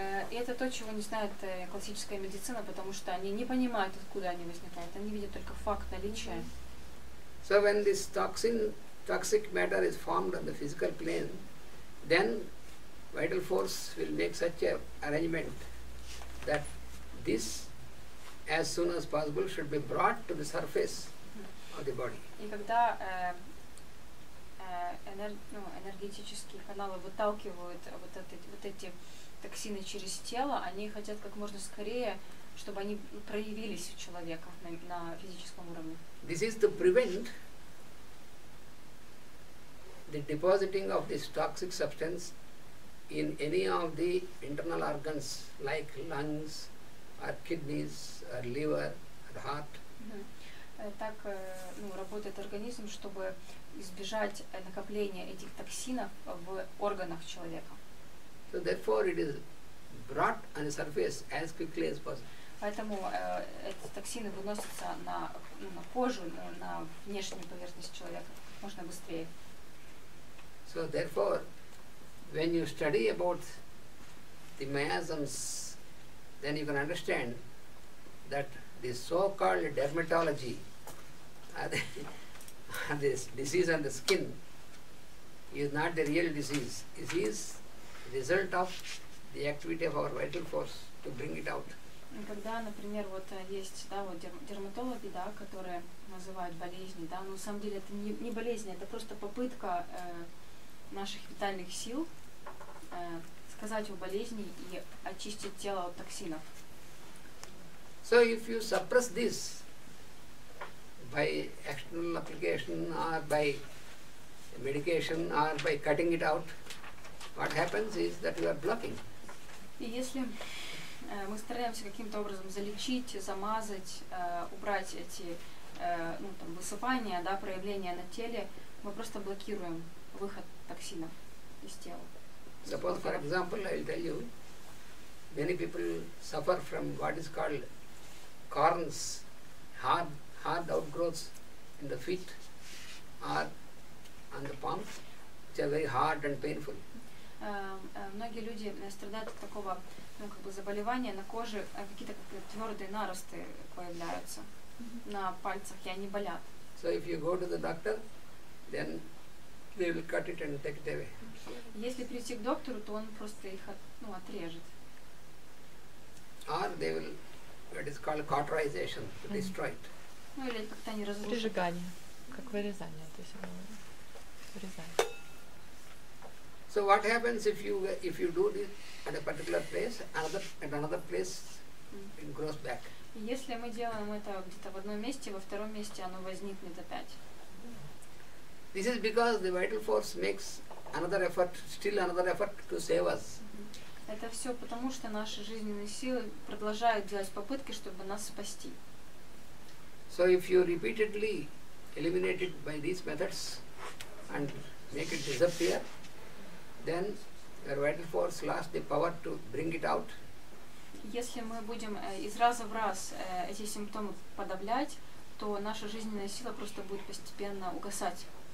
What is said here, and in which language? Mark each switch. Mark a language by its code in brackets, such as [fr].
[ru] И это то, чего не знает классическая медицина, потому что они не понимают, откуда они возникают. Они видят только факт наличия. [en] So when this toxic matter is formed on the physical plane, then vital force will make such a arrangement that this, as soon as possible, should be brought to the surface of the body. [ru] И когда энергетические каналы выталкивают вот эти токсины через тело, они хотят как можно скорее, чтобы они проявились у человека на физическом уровне. [en] This is to prevent the depositing of this toxic substance in any of the internal organs like lungs, or kidneys, or liver, or heart. [ru] Так, ну, работает организм, чтобы избежать накопления этих токсинов в органах человека. [en] So therefore, it is brought on the surface as quickly as possible. [ru] Поэтому эти токсины выносятся на кожу, на внешнюю поверхность человека можно быстрее. [en] So therefore, when you study about the miasms, then you can understand that the so-called dermatology, this disease on the skin, is not the real disease. It is result of the activity of our vital force to bring it out. [ru] когда, например, вот есть, да, вот дерматологи, да, которые называют болезни, да, но на самом деле это не болезнь, это просто попытка наших витальных сил сказать о болезни и очистить тело от токсинов. [en] So if you suppress this by external application or by medication or by cutting it out, what happens is that you are blocking. [ru] И если мы стараемся каким-то образом залечить, замазать, убрать эти ну, там, высыпания, да, проявления на теле, мы просто блокируем выход токсинов из тела. [en] Suppose, for example, I'll tell you, many people suffer from what is called corns, hard outgrowths in the feet or on the palms, which are very hard and painful. [ru] Многие люди страдают от такого, ну, как бы заболевания на коже, какие-то твердые наросты появляются на пальцах, и они болят. [en] So if you go to the doctor, then they will cut it and take it away. [ru] Если прийти к доктору, то он просто их ну, отрежет. [en] Or they will, what is called cauterization, destroy it. [ru] Ну или как-то они разрушат. Прижигание, как вырезание, то есть оно вырезание. [en] So what happens if you do this at a particular place, at another place it grows back. [ru] Если мы делаем это где-то в одном месте, во втором месте оно возникнет опять. [en] This is because the vital force makes another effort, still another effort to save us. [ru] Это все потому, что наши жизненные силы продолжают делать попытки, чтобы нас спасти. [en] So if you repeatedly eliminate it by these methods and make it disappear, then your vital force lost the power to bring it out. [ru] Если мы будем из раза в раз эти симптомы подавлять, то наша жизненная сила просто будет постепенно угасать.